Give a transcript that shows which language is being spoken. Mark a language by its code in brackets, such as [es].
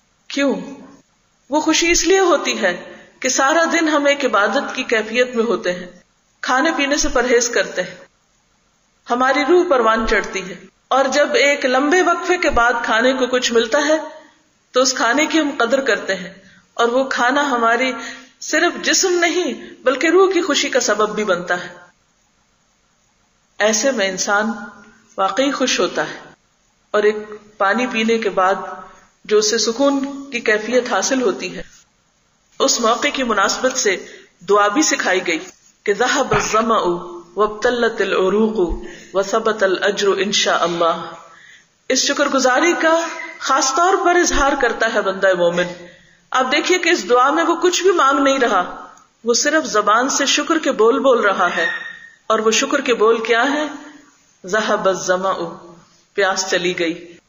[ur] کیوں؟ وہ خوشی اس لیے ہوتی ہے کہ سارا دن ہم ایک عبادت کی کیفیت میں ہوتے ہیں، کھانے پینے سے پرہیز کرتے ہیں، ہماری روح پروان چڑھتی ہے، اور جب ایک لمبے وقفے کے بعد کھانے کو کچھ ملتا ہے تو اس کھانے کی ہم قدر کرتے ہیں، اور وہ کھانا ہماری صرف جسم نہیں بلکہ روح کی خوشی کا سبب بھی بنتا ہے۔ ایسے میں انسان واقعی خوش ہوتا ہے، اور ایک پانی پینے کے بعد جو اسے سکون کی کیفیت حاصل ہوتی ہے، اس موقع کی مناسبت سے دعا بھی سکھائی گئی۔ کہ [ar] ذہب الظما وابتلت العروق وثبت الاجر ان شاء اللہ. [ur] اس شکر گزاری کا خاص طور پر اظہار کرتا ہے بندہ مومن. آپ دیکھیے کہ اس دعا میں وہ کچھ بھی مانگ نہیں رہا, وہ صرف زبان سے شکر کے بول بول رہا ہے. اور وہ شکر کے بول کیا ہے؟ [ar] ذہب الظما, [ur] پیاس چلی گئی.